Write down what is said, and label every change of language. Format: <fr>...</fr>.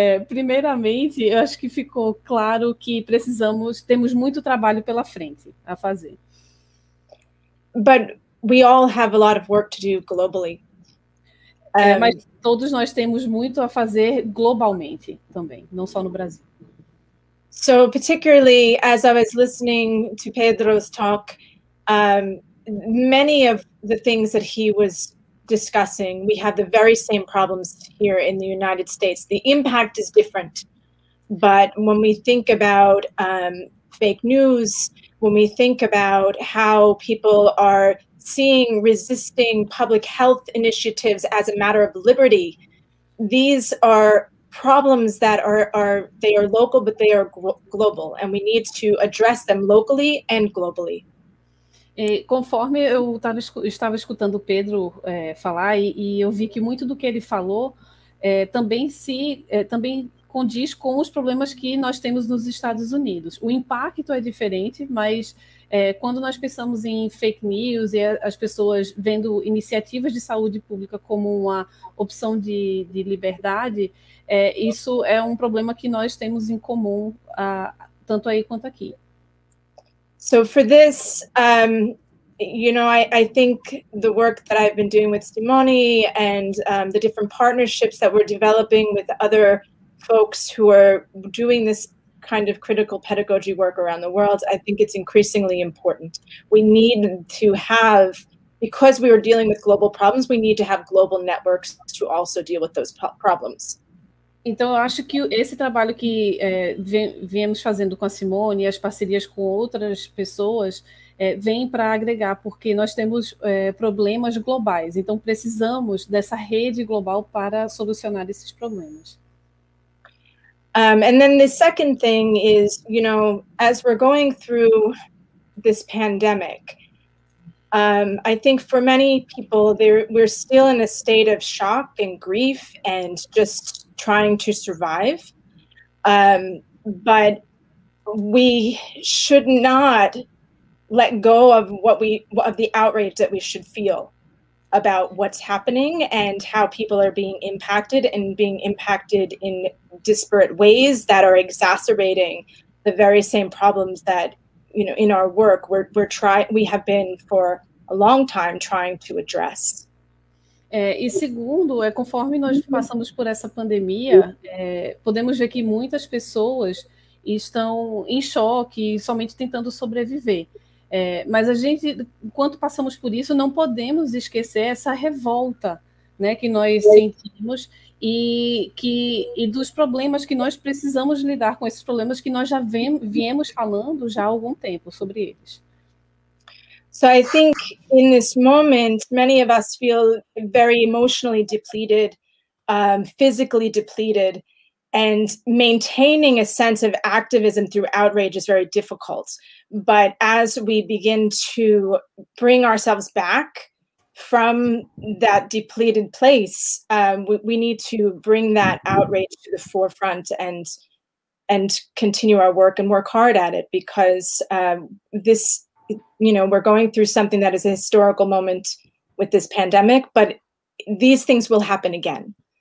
<pt>Primeiramente, eu acho que ficou claro que temos muito trabalho pela frente a fazer.</pt> <en>But we all have a lot of work to do globally.</en> <pt>Mas todos nós temos muito a fazer globalmente também, não só no Brasil.</pt> <en>So particularly as I was listening to Pedro's talk, many of the things that he was discussing, we have the very same problems here in the United States. The impact is different, but when we think about fake news, when we think about how people are seeing resisting public health initiatives as a matter of liberty, these are problems that are local, but they are global, and we need to address them locally and globally.</en> <pt>E conforme eu estava escutando o Pedro falar, e eu vi que muito do que ele falou também condiz com os problemas que nós temos nos Estados Unidos. O impacto é diferente, mas quando nós pensamos em fake news e as pessoas vendo iniciativas de saúde pública como uma opção de liberdade, isso é um problema que nós temos em comum, tanto aí quanto aqui.</pt> <en>So for this, I think the work that I've been doing with Simone and the different partnerships that we're developing with other folks who are doing this kind of critical pedagogy work around the world, I think it's increasingly important. We need to have, because we are dealing with global problems, we need to have global networks to also deal with those problems.</en> <pt>Então, eu acho que esse trabalho que viemos fazendo com a Simone e as parcerias com outras pessoas vem para agregar, porque nós temos problemas globais. Então, precisamos dessa rede global para solucionar esses problemas.</pt> <en>And then the second thing is, you know, as we're going through this pandemic, I think for many people, we're still in a state of shock and grief and just trying to survive, but we should not let go of the outrage that we should feel about what's happening and how people are being impacted and being impacted in disparate ways that are exacerbating the very same problems that, you know, in our work we have been for a long time trying to address.</en> <pt>E segundo, conforme nós passamos por essa pandemia, podemos ver que muitas pessoas estão em choque, somente tentando sobreviver. Mas a gente, enquanto passamos por isso, não podemos esquecer essa revolta, né, que nós sentimos e dos problemas que nós precisamos lidar com, esses problemas que nós já viemos falando já há algum tempo sobre eles.</pt> <en>So I think in this moment, many of us feel very emotionally depleted, physically depleted, and maintaining a sense of activism through outrage is very difficult. But as we begin to bring ourselves back from that depleted place, we need to bring that outrage to the forefront and continue our work and work hard at it, because this, you know, we're going through something that is a historical moment with this pandemic, but these things will happen again.</en>